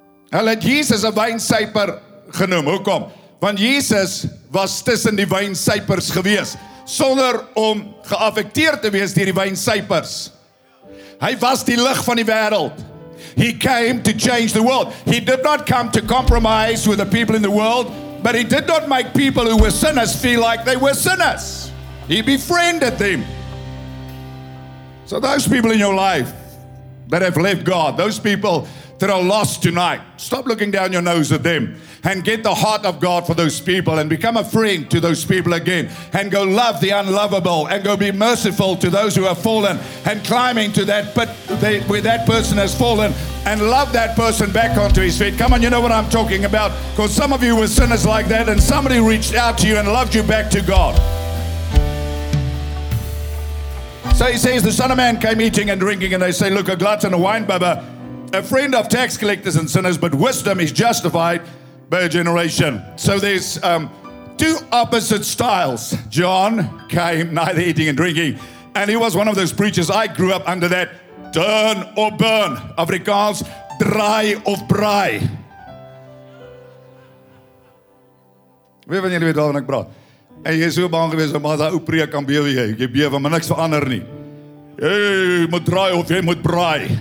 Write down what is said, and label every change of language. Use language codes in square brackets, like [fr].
[af] Hulle het Jesus 'n wynsuiper genoem. Hoekom? Want Jesus was tussen die wynsuipers gewees, sonder om geaffekteerd te wees deur die wynsuipers. Hy was die lig van die wêreld. [en] He came to change the world. He did not come to compromise with the people in the world, but he did not make people who were sinners feel like they were sinners. He befriended them. So those people in your life that have left God, those people that are lost tonight, stop looking down your nose at them and get the heart of God for those people and become a friend to those people again and go love the unlovable and go be merciful to those who have fallen and climbing to that pit where that person has fallen and love that person back onto his feet. Come on, you know what I'm talking about, because some of you were sinners like that and somebody reached out to you and loved you back to God. So he says, the Son of Man came eating and drinking, and they say, look, a glutton, a wine bibber, a friend of tax collectors and sinners, but wisdom is justified by a generation. So there's two opposite styles. John came neither eating and drinking, and he was one of those preachers. I grew up under that turn or burn. [af] Afrikaans, draai of braai. Wie van julle weet waarvan ek praat? En jy is so bang geweest om as hy oop preek kan bewe jy. Jy bewe, maar niks verander nie. Jy moet draai of jy moet braai.